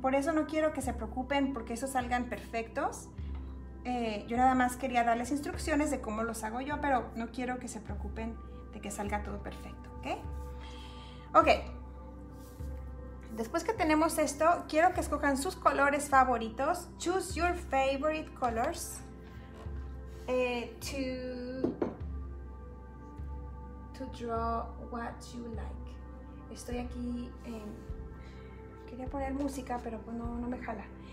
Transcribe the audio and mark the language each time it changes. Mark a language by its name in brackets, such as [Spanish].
[Spanish] Por eso no quiero que se preocupen porque esos salgan perfectos. Yo nada más quería darles instrucciones de cómo los hago yo, pero no quiero que se preocupen de que salga todo perfecto, ¿ok? Ok. Después que tenemos esto, quiero que escojan sus colores favoritos. [English] Choose your favorite colors to draw what you like. [Spanish] Estoy aquí en... Quería poner música, pero pues no me jala.